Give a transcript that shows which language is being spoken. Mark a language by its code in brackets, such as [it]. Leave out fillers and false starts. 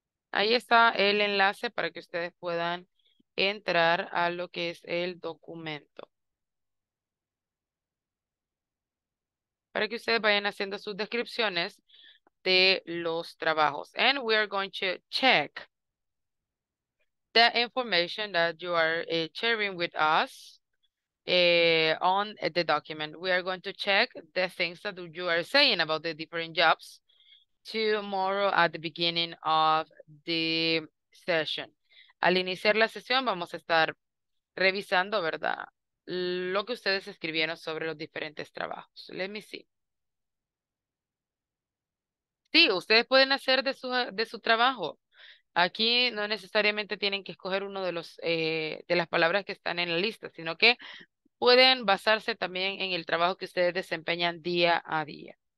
[es] Ahí está el enlace para que ustedes puedan entrar a lo que es el documento. Para que ustedes vayan haciendo sus descripciones de los trabajos. [en] And we are going to check the information that you are sharing with us. On the document, we are going to check the things that you are saying about the different jobs tomorrow at the beginning of the session. [es] Al iniciar la sesión, vamos a estar revisando, ¿verdad?, lo que ustedes escribieron sobre los diferentes trabajos. [en] Let me see. [es] Sí, ustedes pueden hacer de su trabajo. Aquí no necesariamente tienen que escoger uno de las palabras que están en la lista, sino que pueden basarse también en el trabajo que ustedes desempeñan día a día.